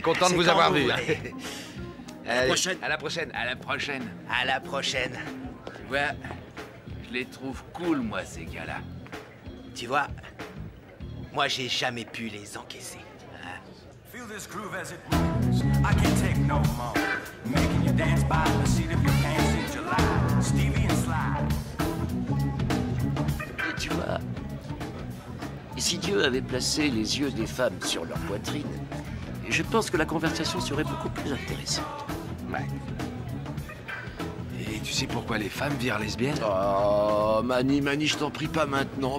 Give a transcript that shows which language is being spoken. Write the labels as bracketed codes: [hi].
[fr] Content de vous avoir vu. À la prochaine. À la prochaine. À la prochaine. À la prochaine. Tu vois, je les trouve cool, moi, ces gars-là. Tu vois, moi, j'ai jamais pu les encaisser. [en] Feel this groove as it moves. I can't take no more. Making you dance by the seat of your pants in July. Stevie and Slide. [fr] Tu vois, et si Dieu avait placé les yeux des femmes sur leur poitrine, je pense que la conversation serait beaucoup plus intéressante. Ouais. Et tu sais pourquoi les femmes virent lesbiennes ? Oh, Mani, Mani, je t'en prie pas maintenant.